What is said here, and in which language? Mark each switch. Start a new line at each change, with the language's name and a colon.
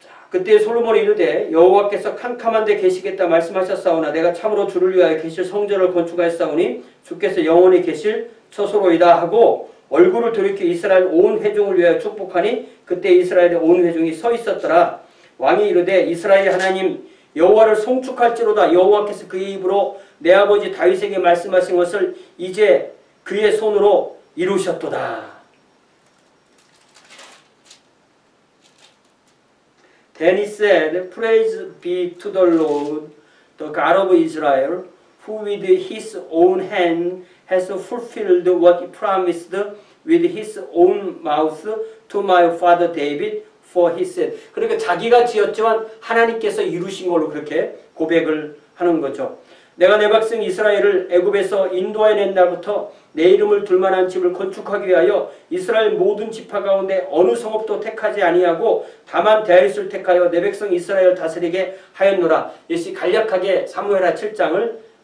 Korean: 그때 솔로몬이 이르되 여호와께서 캄캄한데 계시겠다 말씀하셨사오나 내가 참으로 주를 위하여 계실 성전을 건축하였사오니 주께서 영원히 계실 처소로이다 하고 얼굴을 돌이켜 이스라엘 온 회중을 위하여 축복하니 그때 이스라엘의 온 회중이 서 있었더라. 왕이 이르되 이스라엘 하나님 여호와를 송축할지로다. 여호와께서 그의 입으로 내 아버지 다윗에게 말씀하신 것을 이제 그의 손으로 이루셨도다.
English: 'Then he said, Praise be to the Lord, the God of Israel, who with his own hand has fulfilled what he promised with his own mouth to my father David, for he said.'
Korean: 그러니까 자기가 지었지만 하나님께서 이루신 걸로 그렇게 고백을 하는 거죠. 내가 내 백성 이스라엘을 애굽에서 인도해낸 날부터 내 이름을 둘만한 집을 건축하기 위하여 이스라엘 모든 지파 가운데 어느 성읍도 택하지 아니하고 다만 다윗을 택하여 내 백성 이스라엘 다스리게 하였노라. 역시 간략하게 사무엘하 7장을